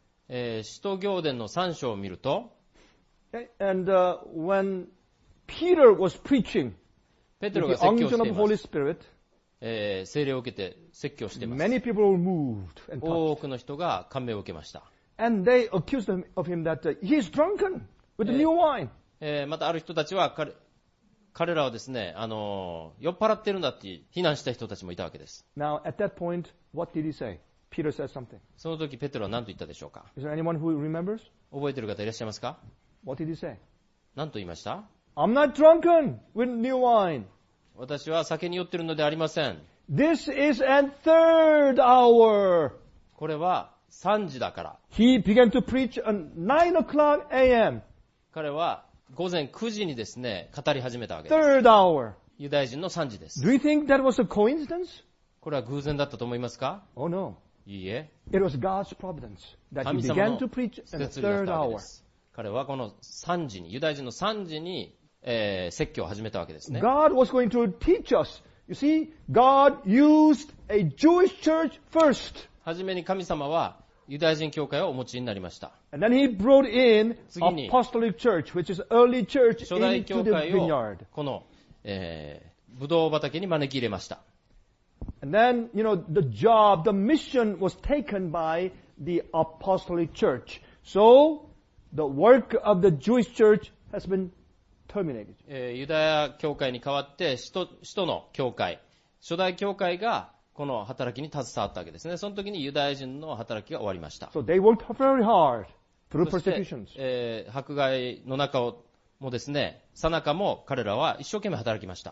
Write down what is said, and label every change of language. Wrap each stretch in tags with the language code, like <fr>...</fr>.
<ja>使徒行伝の3章を見ると、</ja> <en>and when Peter was preaching,</en> <ja>ペテロが説教しています。</ja> <en>The unction of Holy Spirit,</en> <ja>聖霊を受けて説教しています。</ja> <en>Many people were moved and touched.</en> <ja>多くの人が感銘を受けました。</ja> <en>And they accused him of him that he is drunken with new wine.</en> <ja>またある人たちは彼らはですね、酔っ払ってるんだって非難した人たちもいたわけです。</ja> <en>Now at that point, what did he say? Peter said something.</en> <ja>その時ペテロは何と言ったでしょうか。</ja> <en>Is there anyone who remembers?</en> <ja>覚えてる方いらっしゃいますか。</ja> <en>What did he say?</en> <ja>何と言いました。</ja> <en>I'm not drunken with new wine.</en> <ja>私は酒に酔っているのでありません。</ja> <en>This is a third hour.</en> <ja>これは3時だから。</ja> <en>He began to preach at 9 o'clock a.m.</en> <ja>彼は午前9時にですね、語り始めたわけです。</ja> <en>Third hour.</en> <ja>ユダヤ人の3時です。</ja> <en>Do you think that was a coincidence?</en> <ja>これは偶然だったと思いますか?</ja> <en>Oh no.</en> <ja>いいえ。</ja> <en>It was God's providence that he began to preach at the third hour.</en> <ja>彼はこの3時に、ユダヤ人の3時に、説教を始めたわけですね。</ja> <en>God was going to teach us. You see, God used a Jewish church first.</en> <ja>はじめに神様は、ユダヤ人教会をお持ちになりました。</ja> <en>And then he brought in apostolic church, which is early church into the vineyard.</en> <ja>初代教会をこの、ブドウ畑に招き入れました。</ja> <en>And then, you know, the job, the mission was taken by the apostolic church. So, the work of the Jewish church has been terminated.</en> <ja>ユダヤ教会に代わって使徒の教会、初代教会がこの働きに携わったわけですね。その時にユダヤ人の働きが終わりました。</ja> <en>So they worked very hard through persecutions.</en> <ja>迫害の中もですね、さなかも彼らは一生懸命働きました。</ja>